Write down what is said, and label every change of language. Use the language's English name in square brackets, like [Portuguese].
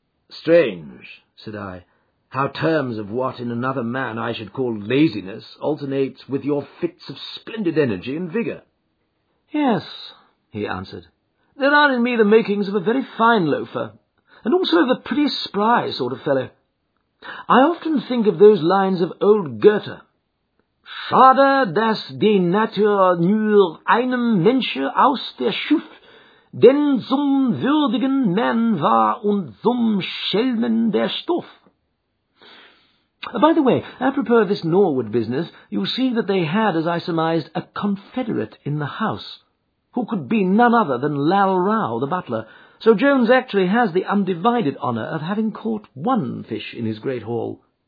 [English] Strange, said I, how terms of what in another man I should call laziness alternates with your fits of splendid energy and vigour. Yes, he answered. There are in me the makings of a very fine loafer, and also of a pretty spry sort of fellow. I often think of those lines of old Goethe. [German] Schade, dass die Natur nur einem Menschen aus der Schuf, denn zum würdigen Mann war und zum Schelmen der Stoff. [English] By the way, apropos of this Norwood business, you see that they had, as I surmised, a confederate in the house, who could be none other than Lal Rao, the butler. So Jones actually has the undivided honour of having caught one fish in his great haul.